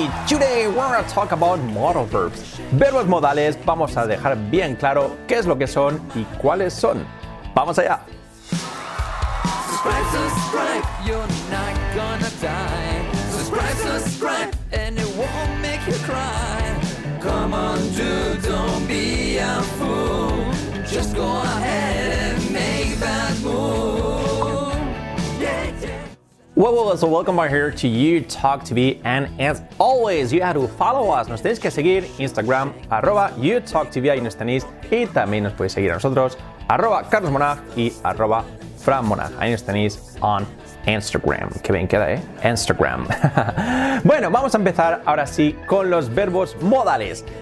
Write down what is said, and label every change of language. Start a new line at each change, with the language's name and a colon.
English: Today we're going to talk about modal verbs.
Spanish: Verbos modales, vamos a dejar bien claro qué es lo que son y cuáles son. ¡Vamos allá!
English: Subscribe, subscribe, you're not gonna die. Subscribe, subscribe, and it won't make you cry. Come on, dude, don't be a fool. Just go ahead and make that move. Yeah, yeah. Well, so welcome back here to You Talk TV. And as always, you have to follow us.
Spanish: Nos tenéis que seguir Instagram, @YouTalkTV, ahí nos tenéis. Y también nos podéis seguir a nosotros, @CarlosMonag y @FranMonag. Ahí nos tenéis on Instagram. Qué bien queda, ¿eh? Instagram. Bueno, vamos a empezar ahora sí con los verbos modales.